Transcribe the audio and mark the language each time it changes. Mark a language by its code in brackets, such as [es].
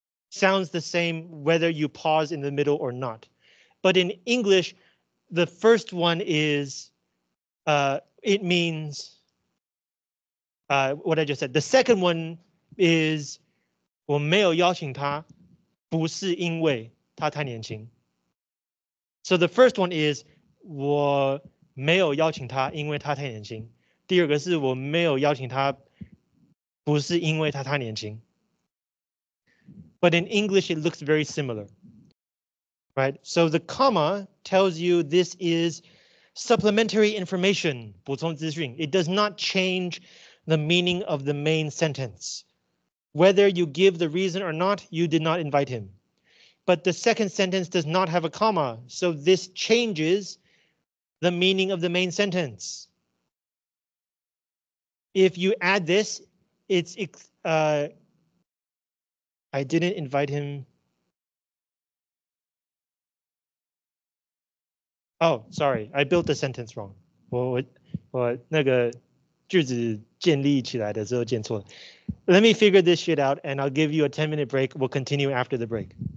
[en] Sounds the same whether you pause in the middle or not. But in English, the first one is, it means, what I just said. The second one is, [zh] 我没有邀请他不是因为他太年轻. [en] So the first one is, [zh] 我没有邀请他因为他太年轻. 第二个是, 我没有邀请他不是因为他太年轻. [en] But in English, it looks very similar. Right, so the comma tells you this is supplementary information, [zh] 补充资讯. [en] It does not change the meaning of the main sentence. Whether you give the reason or not, you did not invite him. But the second sentence does not have a comma, so this changes the meaning of the main sentence. If you add this, it's, I didn't invite him. Oh, sorry, I built the sentence wrong. [zh] 我那个句子建立起来的时候建错了. [en] Let me figure this shit out and I'll give you a 10-minute break. We'll continue after the break.